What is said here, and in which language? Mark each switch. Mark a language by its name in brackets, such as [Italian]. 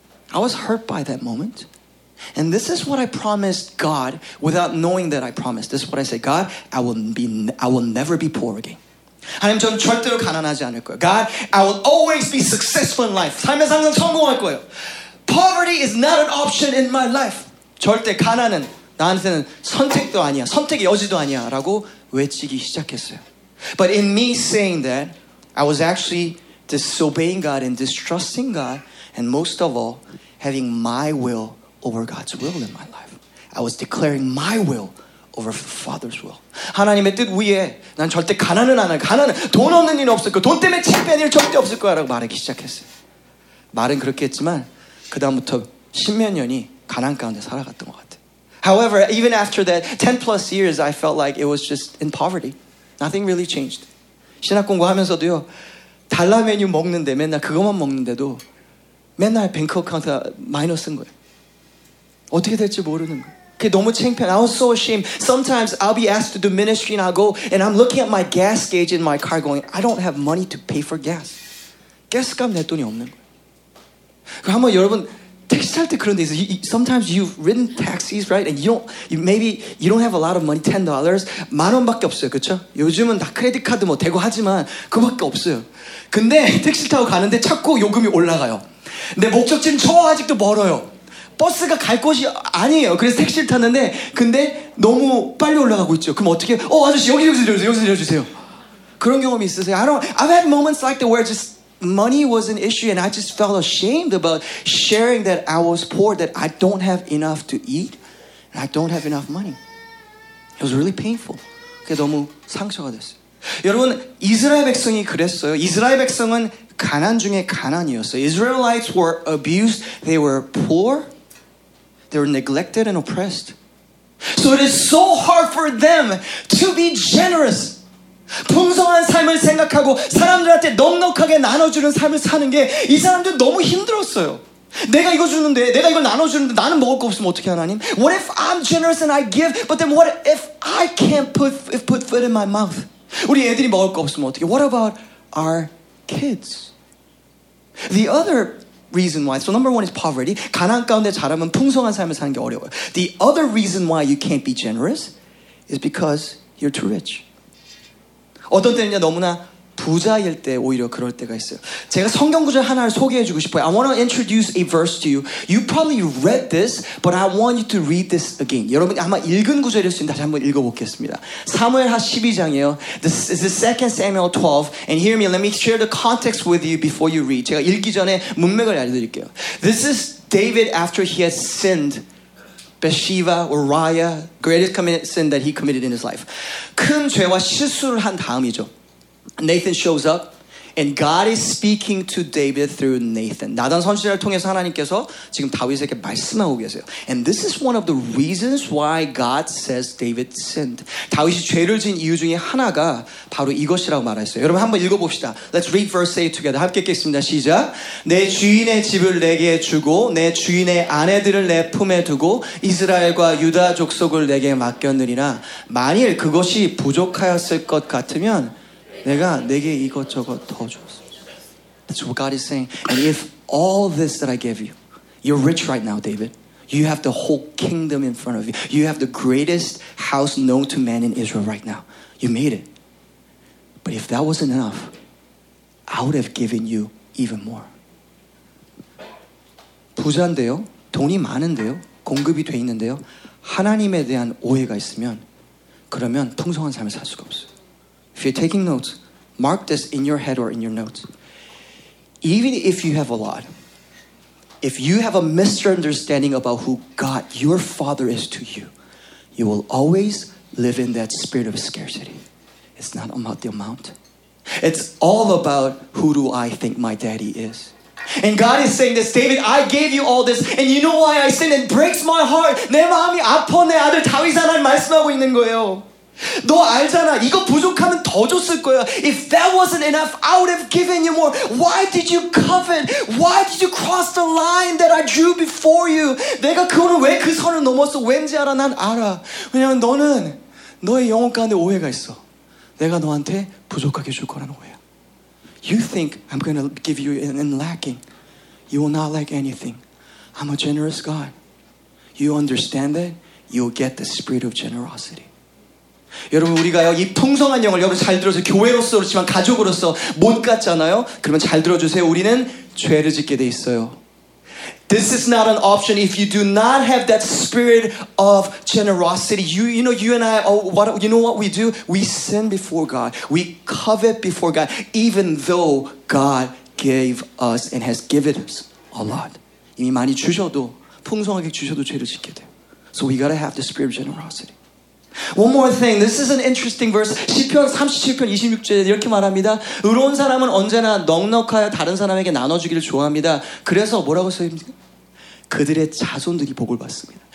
[English] I was hurt by that moment. And this is what I promised God without knowing that I promised. This is what I said. God, I will never be poor again. [Korean] 하나님, 저는 절대로 가난하지 않을 거예요. [English] God, I will always be successful in life. [Korean] 삶에서 항상 성공할 거예요. [English] Poverty is not an option in my life. [Korean] 절대 가난은 나한테는 선택도 아니야. 선택의 여지도 아니야. 라고 외치기 시작했어요. [English] But in me saying that, I was actually disobeying God and distrusting God. And most of all, having my will over God's will in my life. I was declaring my will over the Father's will. [Korean] 하나님의 뜻 위에 난 절대 가난은 안 할 거야. 가난은 돈 없는 일은 없을 거야. 돈 때문에 창피한 일은 절대 없을 거야. 라고 말하기 시작했어요. 말은 그렇게 했지만 그 다음부터 십몇 년이 가난 가운데 살아갔던 것 같아요. [English] However, even after that 10 plus years, I felt like it was just in poverty. Nothing really changed. [Korean] 신학 공부하면서도요, 달라 메뉴 먹는데 맨날 그것만 먹는데도 맨날 뱅크 어카운트가 마이너스인 거예요. 어떻게 될지 모르는 거예요. 그게 너무 창피한. [English] I was so ashamed. Sometimes I'll be asked to do ministry and I'll go and I'm looking at my gas gauge in my car going, I don't have money to pay for gas. [Korean] 가스값 낼 돈이 없는 거예요. 그럼 한번 여러분 택시 탈 때 그런 데 있어요. [English] Sometimes you've ridden taxis, right? And you don't have a lot of money, $10. [Korean] 만 원밖에 없어요, 그렇죠? 요즘은 다 크레딧 카드 뭐 대고 하지만 그밖에 없어요. 근데 택시 타고 가는데 자꾸 요금이 올라가요. 내 목적지는 저 아직도 멀어요. 버스가 갈 곳이 아니에요. 그래서 택시를 탔는데 근데 너무 빨리 올라가고 있죠. 그럼 어떻게? 아저씨 여기 내려주세요. 그런 경험이 있으세요? [English] I've had moments like that where just money was an issue and I just felt ashamed about sharing that I was poor, that I don't have enough to eat and I don't have enough money. It was really painful. [Korean] 그게 너무 상처가 됐어요. 여러분, 이스라엘 백성이 그랬어요. 이스라엘 백성은 가난 중에 가난이었어요. [English] Israelites were abused, they were poor, they were neglected and oppressed. So it is so hard for them to be generous. [Korean] 풍성한 삶을 생각하고 사람들한테 넉넉하게 나눠주는 삶을 사는 게 이 사람들 너무 힘들었어요. 내가 이거 주는데, 내가 이걸 나눠주는데 나는 먹을 거 없으면 어떻게 하나님? [English] What if I'm generous and I give, but then what if I can't put food in my mouth? [Korean] 우리 애들이 먹을 거 없으면 어떻게? [English] What about our kids? The other reason why, so number one is poverty. [Korean] 가난 가운데 자라면 풍성한 삶을 사는 게 어려워요. [English] The other reason why you can't be generous is because you're too rich. [Korean] 어떤 때는요, 너무나 부자일 때 오히려 그럴 때가 있어요. 제가 성경 구절 하나를 소개해 주고 싶어요. [English] I want to introduce a verse to you. You probably read this, but I want you to read this again. [Korean] 여러분 아마 읽은 구절일 수 있는데 다시 한번 읽어보겠습니다. 사무엘하 12장이에요. [English] This is the 2 Samuel 12. And hear me, let me share the context with you before you read. [Korean] 제가 읽기 전에 문맥을 알려드릴게요. [English] This is David after he has sinned Bathsheba, Uriah, greatest sin that he committed in his life. [Korean] 큰 죄와 실수를 한 다음이죠. [English] Nathan shows up, and God is speaking to David through Nathan. [Korean] 나단 선지자를 통해서 하나님께서 지금 다윗에게 말씀하고 계세요. [English] And this is one of the reasons why God says David sinned. [Korean] 다윗이 죄를 지은 이유 중에 하나가 바로 이것이라고 말했어요. 여러분 한번 읽어봅시다. [English] Let's read verse 8 together. [Korean] 함께 읽겠습니다. 시작. 내 주인의 집을 내게 주고 내 주인의 아내들을 내 품에 두고 이스라엘과 유다 족속을 내게 맡겼느니라. 만일 그것이 부족하였을 것 같으면 내가 내게 이것저것 더 줬어. [English] That's what God is saying. And if all this that I gave you, you're rich right now, David. You have the whole kingdom in front of you. You have the greatest house known to man in Israel right now. You made it. But if that wasn't enough, I would have given you even more. [Korean] 부자인데요, 돈이 많은데요, 공급이 돼 있는데요, 하나님에 대한 오해가 있으면 그러면 풍성한 삶을 살 수가 없어요. [English] If you're taking notes, mark this in your head or in your notes. Even if you have a lot, if you have a misunderstanding about who God, your father is to you, you will always live in that spirit of scarcity. It's not about the amount. It's all about who do I think my daddy is. And God is saying this, David, I gave you all this, and you know why I sinned? It breaks my heart. [Korean] 내 마음이 아파, 내 아들 다윗이 나를 말씀하고 있는 거예요. 너 알잖아. 이거 부족하면 더 줬을 거야. [English] If that wasn't enough, I would have given you more. Why did you covet? Why did you cross the line that I drew before you? [Korean] 내가 그거는 왜 그 선을 넘었어? 왠지 알아? 난 알아. 왜냐면 너는 너의 영혼 가운데 오해가 있어. 내가 너한테 부족하게 줄 거라는 오해야. [English] You think I'm going to give you in lacking. You will not lack anything. I'm a generous God. You understand that? You'll get the spirit of generosity. [Korean] 여러분 우리가요 이 풍성한 영을 여러분 잘 들어서 교회로서 그렇지만 가족으로서 못 갔잖아요. 그러면 잘 들어주세요. 우리는 죄를 짓게 돼 있어요. [English] This is not an option if you do not have that spirit of generosity. You know you and I. Oh, what you know what we do? We sin before God. We covet before God, even though God gave us and has given us a lot. [Korean] 이미 많이 주셔도 풍성하게 주셔도 죄를 짓게 돼. [English] So we gotta have the spirit of generosity. One more thing. This is an interesting verse. [Korean] 시편 37편 26절에 이렇게 말합니다. 의로운 사람은 언제나 넉넉하여 다른 사람에게 나눠주기를 좋아합니다. 그래서 뭐라고 써있니까? 그들의 자손들이 복을 받습니다.